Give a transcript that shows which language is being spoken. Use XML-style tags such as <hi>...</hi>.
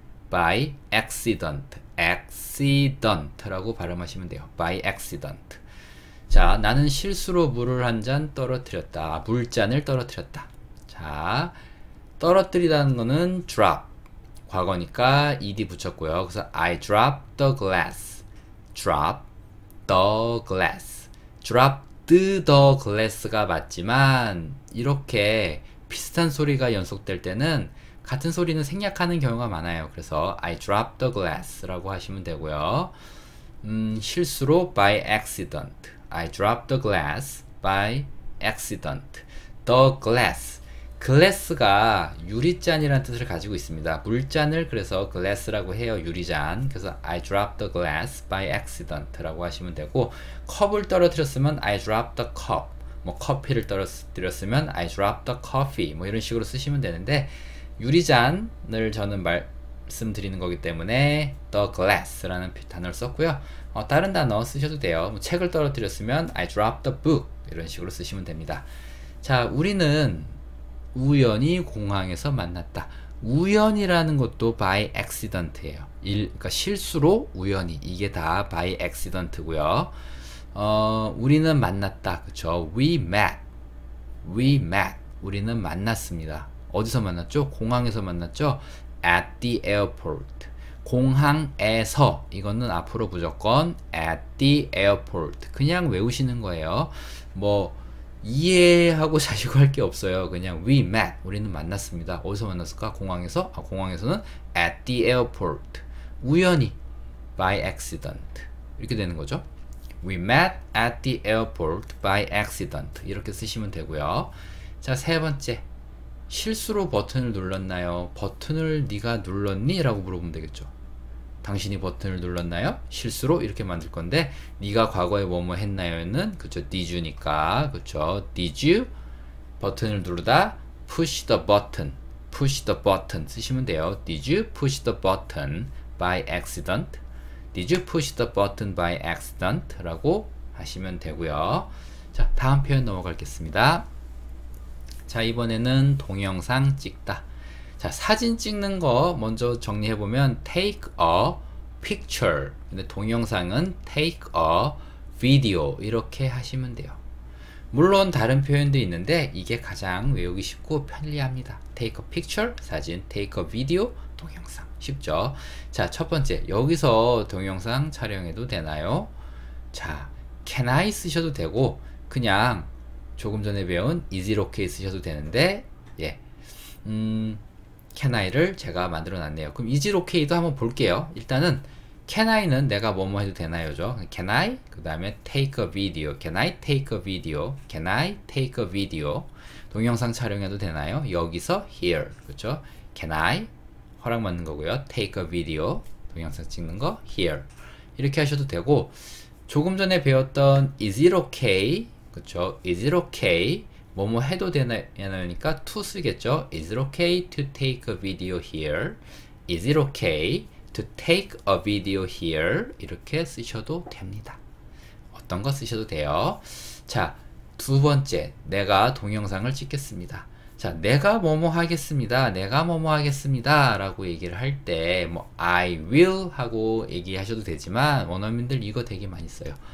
<en>by accident.</en> <ko>accident라고 발음하시면 돼요.</ko> <en>by accident.</en> <ko>자, 나는 실수로 물을 한잔 떨어뜨렸다. 물잔을 떨어뜨렸다. 자, 떨어뜨리다는 거는 drop. 과거니까 ed 붙였고요.</ko> <en>그래서 I dropped the glass. drop the glass.</en> <ko>dropped the glass가 맞지만 이렇게 비슷한 소리가 연속될 때는 같은 소리는 생략하는 경우가 많아요.</ko> <en>그래서 I dropped the glass</en> <ko>라고 하시면 되고요.</ko> <en>실수로 by accident. I dropped the glass by accident. The glass.</en> <ko>glass가 유리잔이라는 뜻을 가지고 있습니다. 물잔을 그래서 glass라고 해요. 유리잔.</ko> <en>그래서 I dropped the glass by accident</en> <ko>라고 하시면 되고, 컵을 떨어뜨렸으면</ko> <en>I dropped the cup.</en> <ko>뭐 커피를 떨어뜨렸으면</ko> <en>I dropped the coffee.</en> <ko>뭐 이런 식으로 쓰시면 되는데, 유리잔을 저는 말씀드리는 거기 때문에 the glass라는 단어를 썼고요. 다른 단어 쓰셔도 돼요. 뭐 책을 떨어뜨렸으면</ko> <en>I dropped the book</en> <ko>이런 식으로 쓰시면 됩니다. 자, 우리는 우연히 공항에서 만났다. 우연이라는 것도 by accident예요. 그러니까 실수로 우연히 이게 다 by accident고요. 우리는 만났다. 그쵸?</ko> <en>We met. We met.</en> <ko>우리는 만났습니다. 어디서 만났죠? 공항에서 만났죠?</ko> <en>At the airport. 공항에서.</en> <ko>이거는 앞으로 무조건 at the airport. 그냥 외우시는 거예요. 뭐, 이해하고 자시고 할게 없어요. 그냥 we met. 우리는 만났습니다. 어디서 만났을까? 공항에서? 아, 공항에서는</ko> <en>at the airport. 우연히 by accident.</en> <ko>이렇게 되는 거죠.</ko> <en>We met at the airport by accident.</en> <ko>이렇게 쓰시면 되고요. 자, 세 번째. 실수로 버튼을 눌렀나요? 버튼을 네가 눌렀니? 라고 물어보면 되겠죠. 당신이 버튼을 눌렀나요? 실수로 이렇게 만들 건데 네가 과거에 뭐뭐 했나요는 그쵸 did you니까 그쵸 did you 버튼을 누르다 push the button 쓰시면 돼요.</ko> <en>Did you push the button by accident? Did you push the button by accident?</en> <ko>라고 하시면 되고요. 자, 다음 표현 넘어가겠습니다. 자, 이번에는 동영상 찍다. 자, 사진 찍는 거 먼저 정리해보면 take a picture. 근데 동영상은 take a video 이렇게 하시면 돼요. 물론 다른 표현도 있는데 이게 가장 외우기 쉽고 편리합니다. take a picture 사진, take a video 동영상 쉽죠. 자, 첫 번째, 여기서 동영상 촬영해도 되나요? 자, can I 쓰셔도 되고 그냥 조금 전에 배운 is it okay 쓰셔도 되는데 예, can I를 제가 만들어 놨네요. 그럼 is it okay도 한번 볼게요. 일단은 can I는 내가 뭐뭐 해도 되나요죠.</ko> <en>can I 그 다음에 take a video, can I take a video, can I take a video</en> <ko>동영상 촬영해도 되나요? 여기서 here 그렇죠. can I 허락받는 거고요. take a video 동영상 찍는 거 here 이렇게 하셔도 되고 조금 전에 배웠던 is it okay 그쵸?</ko> <en>Is it okay?</en> <ko>뭐뭐 해도 되나요니까 to 쓰겠죠?</ko> <en>Is it okay to take a video here? Is it okay to take a video here?</en> <ko>이렇게 쓰셔도 됩니다. 어떤 거 쓰셔도 돼요. 자, 두 번째, 내가 동영상을 찍겠습니다. 자, 내가 뭐뭐 하겠습니다. 내가 뭐뭐 하겠습니다. 라고 얘기를 할 때 뭐 I will 하고 얘기하셔도 되지만 원어민들 이거 되게 많이 써요.</ko>